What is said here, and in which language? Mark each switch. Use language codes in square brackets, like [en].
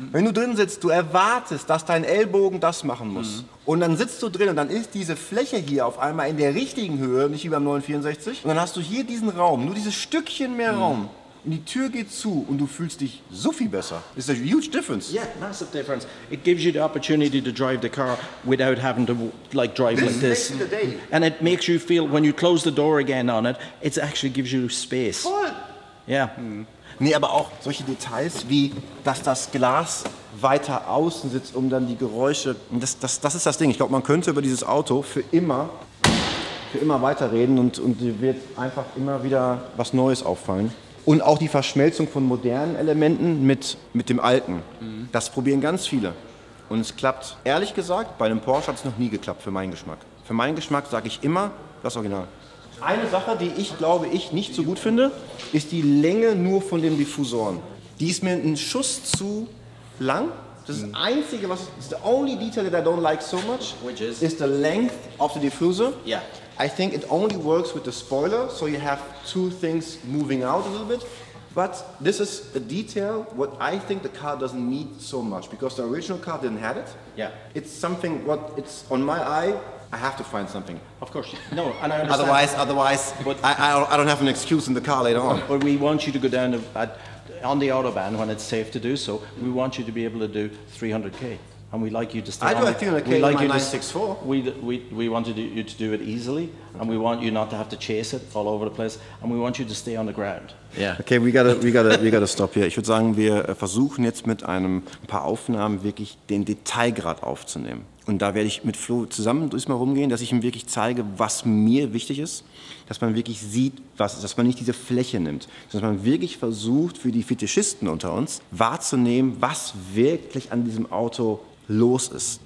[de] Wenn du drin sitzt, du erwartest, dass dein Ellbogen das machen muss. Und dann sitzt du drin und dann ist diese Fläche hier auf einmal in der richtigen Höhe, nicht wie beim 964. Und dann hast du hier diesen Raum, nur dieses Stückchen mehr Raum. Und die Tür geht zu und du fühlst dich so viel besser. Das ist [en] a huge difference. Yeah, massive difference. It gives you the opportunity to drive the car without having to like drive this like this. Makes the day. And it makes you feel when you close the door again on it, it actually gives you space. [de] Voll. [en] Yeah. [de] Nee, aber auch solche Details wie, dass das Glas weiter außen sitzt, um dann die Geräusche. Das ist das Ding. Ich glaube, man könnte über dieses Auto für immer weiterreden und dir wird einfach immer wieder was Neues auffallen. Und auch die Verschmelzung von modernen Elementen mit dem alten. Das probieren ganz viele. Und es klappt. Ehrlich gesagt, bei einem Porsche hat es noch nie geklappt, für meinen Geschmack. Für meinen Geschmack sage ich immer das Original. Eine Sache, die ich glaube, ich nicht so gut finde, ist die Länge nur von den Diffusoren. Die ist mir einen Schuss zu lang. Das ist einzige, was. [en] It's the only detail that I don't like so much. Which is? Is the length of the diffuser. Yeah. I think it only works with the spoiler, so you have two things moving out a little bit. But this is a detail what I think the car doesn't need so much, because the original car didn't have it. Yeah. It's something what it's on my eye, I have to find something. Of course. No, and I understand. Otherwise, but I don't have an excuse in the car later on. But we want you to go down on the Autobahn when it's safe to do so. We want you to be able to do 300K. And we like you to stay. I do a 300K in my 964. We wanted you to do it easily, and we want you not to have to chase it all over the place, and we want you to stay on the ground. Yeah. Okay, we gotta stop here. [de] Ich würde sagen, wir versuchen jetzt mit ein paar Aufnahmen wirklich den Detailgrad aufzunehmen. Und da werde ich mit Flo zusammen durchmal rumgehen, dass ich ihm wirklich zeige, was mir wichtig ist, dass man wirklich sieht, was ist, dass man nicht diese Fläche nimmt, sondern dass man wirklich versucht, für die Fetischisten unter uns wahrzunehmen, was wirklich an diesem Auto los ist.